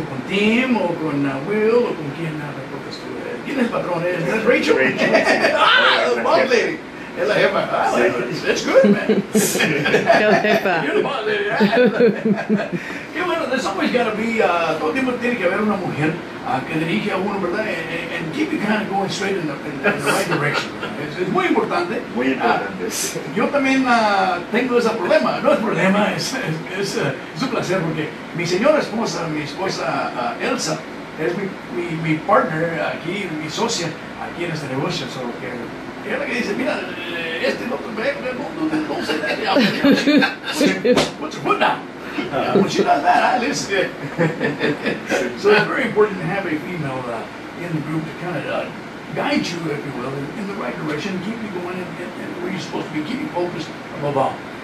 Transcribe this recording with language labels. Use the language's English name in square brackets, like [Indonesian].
[Spanish] ¿Con Tim o con Will o con quién reportas tú? ¿Quién es el patrón? ¿Es Rachel? Rachel. ¡Ah! ¡Bundley! Es la jefa. [English] ¡That's good, man! [Spanish] ¡Qué jefa! [English] ¡You're the Bundley! [Spanish] ¡Qué bueno! [English] There's always got to be, [Spanish] todo tiempo tiene que haber una mujer que dirige a uno, ¿verdad? [English] And keep you kind of going straight in the right direction. [Spanish] Es muy importante. Muy importante. Yo también tengo ese problema. No es problema, es un placer porque mi señora esposa, Elsa, es mi partner aquí, mi socia aquí en este negocio. Solo que ella es la que dice: mira, este no te ve, no se ve. [English] Put your foot down. When she does that, I listen. So it's very important to have a female in the group to kind of guide you, if you will, in the right direction, keep you going and where you're supposed to be, keep you focused above all.